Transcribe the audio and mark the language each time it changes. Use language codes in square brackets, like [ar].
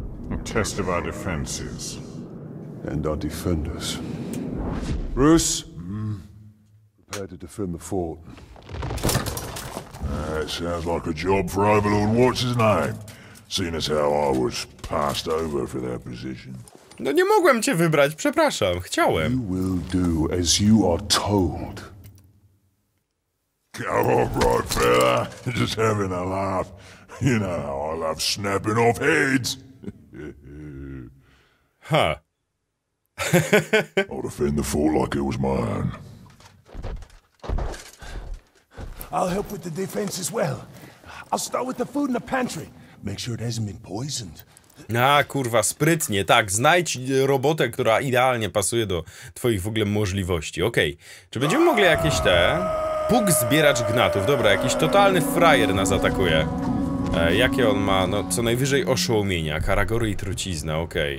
[en] A test of our defenses. And our defenders. Bruce? Prepare to defend the fort. That sounds like a job for Overlord, what's his name? Seeing as how I was passed over for that position. [pl] No nie mogłem cię wybrać, przepraszam, chciałem. [en] You will do as you are told. Come on, right fella, just having a laugh. You know how I love snapping off heads. Ha. I'll defend the fort like it was mine. I'll help with the defense as well. I'll start with the food in the pantry. Make sure it hasn't been poisoned. [pl] A kurwa, sprytnie, tak, znajdź robotę, która idealnie pasuje do twoich w ogóle możliwości, okej. Okay. Czy będziemy mogli jakieś te... Puk zbierać gnatów, dobra, jakiś totalny frajer nas atakuje. Jakie on ma, no co najwyżej oszołomienia, karagory i trucizna, okej.